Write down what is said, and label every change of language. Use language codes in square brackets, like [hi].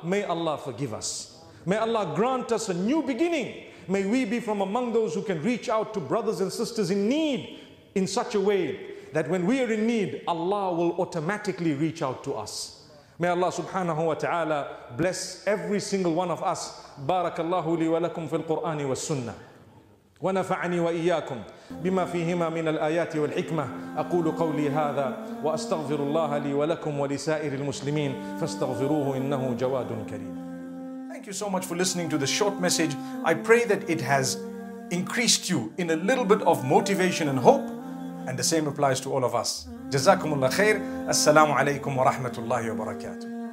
[en] May Allah forgive us. May Allah grant us a new beginning. May we be from among those who can reach out to brothers and sisters in need in such a way that when we are in need, Allah will automatically reach out to us. May Allah subhanahu wa ta'ala bless every single one of us. [ar] Barakallahu li wa lakum fil Qur'an wa sunnah. ونفعني وإياكم بما فيهما من الآيات والحكمة. أقول قولي هذا وأستغفر الله لي ولكم ولسائر المسلمين فاستغفروه إنه جواد كريم. [en] Thank you so much for listening to this short message. I pray that it has increased you in a little bit of motivation and hope, and the same applies to all of us. [ar] جزاكم الله خير. السلام عليكم ورحمة الله وبركاته.